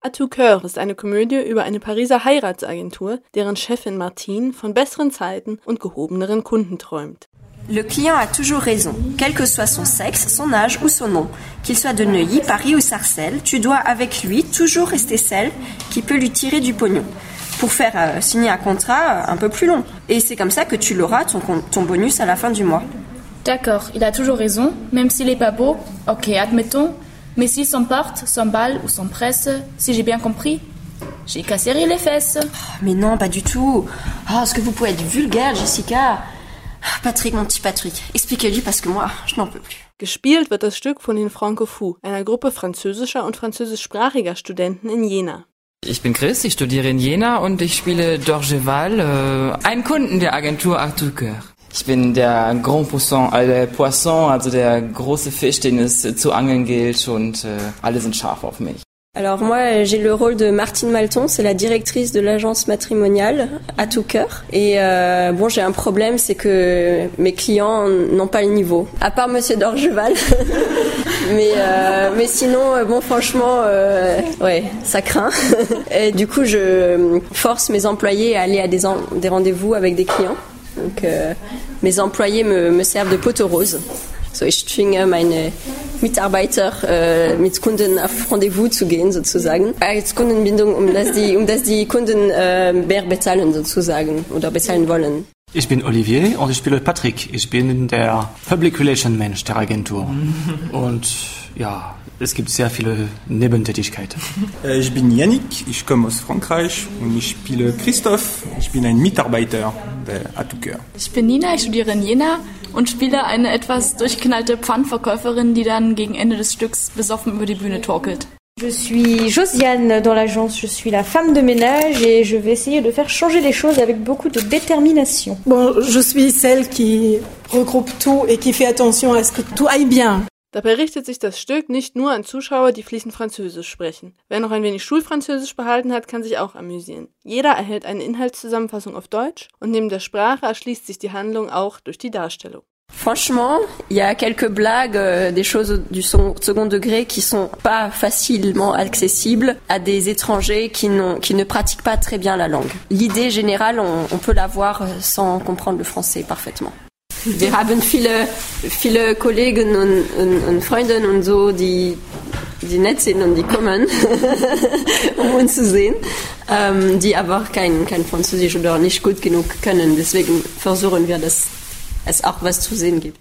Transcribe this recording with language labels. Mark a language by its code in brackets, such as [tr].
[de] À tout cœur ist eine Komödie über eine Pariser Heiratsagentur, deren Chefin Martine von besseren Zeiten und gehobeneren Kunden träumt. [fr] Le client a toujours raison, quel que soit son sexe, son âge ou son nom. Qu'il soit de Neuilly, Paris ou Sarcelles, tu dois avec lui toujours rester celle qui peut lui tirer du pognon. Pour faire signer un contrat un peu plus long. Et c'est comme ça que tu l'auras, ton bonus à la fin du mois. D'accord, il a toujours raison, même s'il n'est pas beau, ok, admettons. Mais s'il s'emporte, s'emballe ou s'empresse, si j'ai bien compris, j'ai qu'à serrer les fesses. Oh, mais non, pas du tout. Oh, est-ce que vous pouvez être vulgaire, Jessica? Patrick, mon petit Patrick, expliquez-lui parce que moi, je n'en peux plus. [de] Gespielt wird das Stück von den Francofous, einer Gruppe französischer und französischsprachiger Studenten in Jena. Ich bin Chris, ich studiere in Jena und ich spiele Dorgeval, einen Kunden der Agentur Arthur Coeur. Ich bin der Grand Poisson, der Poisson, also der große Fisch, den es zu angeln gilt und alle sind scharf auf mich. [fr] Alors moi, j'ai le rôle de Martine Malton, c'est la directrice de l'agence matrimoniale à tout cœur. Et bon, j'ai un problème, c'est que mes clients n'ont pas le niveau. À part Monsieur Dorgeval. mais sinon, bon, franchement, ouais, ça craint. Et du coup, je force mes employés à aller à des rendez-vous avec des clients. Donc mes employés me servent de pot aux roses. [de] So ich zwinge meine Mitarbeiter mit Kunden auf Rendezvous zu gehen sozusagen. Als Kundenbindung, um dass die Kunden mehr bezahlen sozusagen oder bezahlen wollen. Ich bin Olivier und ich spiele Patrick. Ich bin der Public Relation Mensch der Agentur. Und ja, es gibt sehr viele Nebentätigkeiten. Ich bin Yannick, ich komme aus Frankreich und ich spiele Christophe. Ich bin ein Mitarbeiter der Atoukeur. Ich bin Nina, ich studiere in Jena. Und spiele eine etwas durchgeknallte Pfandverkäuferin, die dann gegen Ende des Stücks besoffen über die Bühne torkelt. [fr] Je suis Josiane dans l'agence. Je suis la femme de ménage et je vais essayer de faire changer les choses avec beaucoup de détermination. Bon, je suis celle qui regroupe tout et qui fait attention à ce que tout aille bien. [de] Dabei richtet sich das Stück nicht nur an Zuschauer, die fließend Französisch sprechen. Wer noch ein wenig Schulfranzösisch behalten hat, kann sich auch amüsieren. Jeder erhält eine Inhaltszusammenfassung auf Deutsch und neben der Sprache erschließt sich die Handlung auch durch die Darstellung. [fr] Franchement, il y a quelques blagues, des choses du second degré qui sont pas facilement accessibles à des étrangers qui ne pratiquent pas très bien la langue. L'idée générale, on peut l'avoir sans comprendre le français parfaitement. [de] Wir haben viele Kollegen und Freunde und so, die nett sind und die kommen, um uns zu sehen, die aber kein Französisch oder nicht gut genug können. Deswegen versuchen wir, dass es auch was zu sehen gibt.